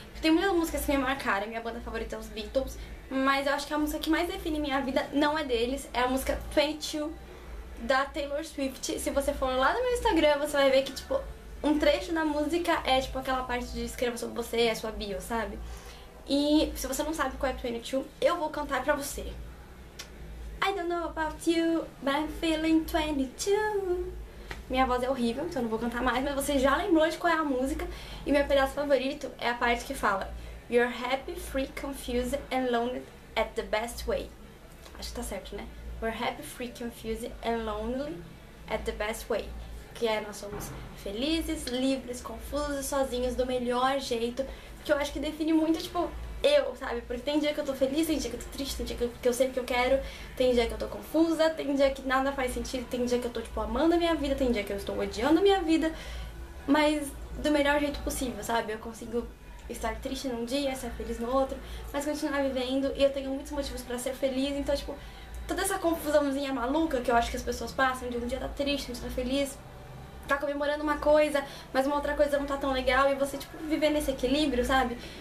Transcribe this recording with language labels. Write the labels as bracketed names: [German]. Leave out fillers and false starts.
[Portuguese] Tem muitas músicas que me marcaram, minha banda favorita é os Beatles, mas eu acho que a música que mais define minha vida não é deles, é a música 22, da Taylor Swift. Se você for lá no meu Instagram, você vai ver que, tipo, um trecho da música é tipo aquela parte de escreva sobre você, a sua bio, sabe? E se você não sabe qual é 22, eu vou cantar pra você. [English] I don't know about you, but I'm feeling 22. [Portuguese] Minha voz é horrível, então eu não vou cantar mais, mas você já lembrou de qual é a música. E meu pedaço favorito é a parte que fala [English] You're happy, free, confused and lonely at the best way. [Portuguese] Acho que tá certo, né? [English] We're happy, free, confused and lonely at the best way. [Portuguese] Que é, nós somos felizes, livres, confusos, sozinhos, do melhor jeito. Que eu acho que define muito, tipo, eu, sabe? Porque tem dia que eu tô feliz, tem dia que eu tô triste, tem dia que eu sei o que eu quero, tem dia que eu tô confusa, tem dia que nada faz sentido, tem dia que eu tô, tipo, amando a minha vida, tem dia que eu estou odiando a minha vida, mas do melhor jeito possível, sabe? Eu consigo estar triste num dia, estar feliz no outro, mas continuar vivendo, e eu tenho muitos motivos pra ser feliz, então, tipo, toda essa confusãozinha maluca que eu acho que as pessoas passam, de um dia tá triste, um dia tá feliz, tá comemorando uma coisa, mas uma outra coisa não tá tão legal, e você, tipo, viver nesse equilíbrio, sabe?